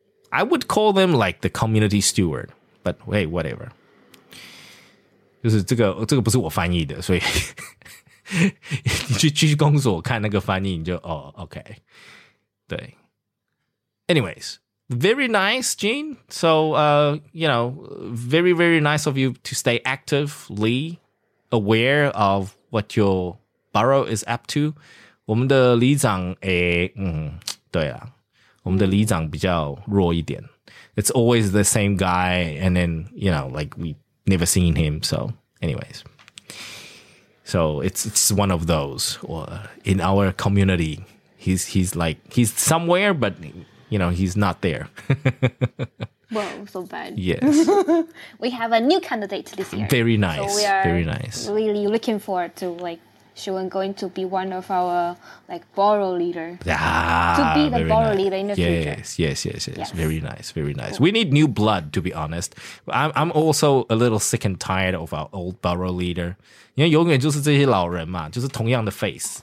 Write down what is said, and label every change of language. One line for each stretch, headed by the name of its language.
English: I would call them like the community steward. But hey, whatever.
Chinese: 就是这个不是我翻译的，所以你去公所看那个翻译，你就okay. 对。
English: Anyways, very nice, Jean. So, very, very nice of you to stay actively aware of what your borough is up to.
Chinese: 我们的里长对啊，我们的里长比较弱一点。
English: It's always the same guy, and then, you know, like, we've never seen him. So, anyways. So, it's one of those. In our community, he's somewhere, but, you know, he's not there. Whoa, so bad. Yes. We have a new candidate this year. Very nice. So very nice. Really looking forward to, like, Shuwen going to be one of our, like, borough leader. Ah, to be the borough leader in the future. Yes. Very nice, very nice. Cool. We need new blood, to be honest. I'm also a little sick and tired of our old borough leader.
Chinese: 因为永远就是这些老人嘛，就是同样的 face.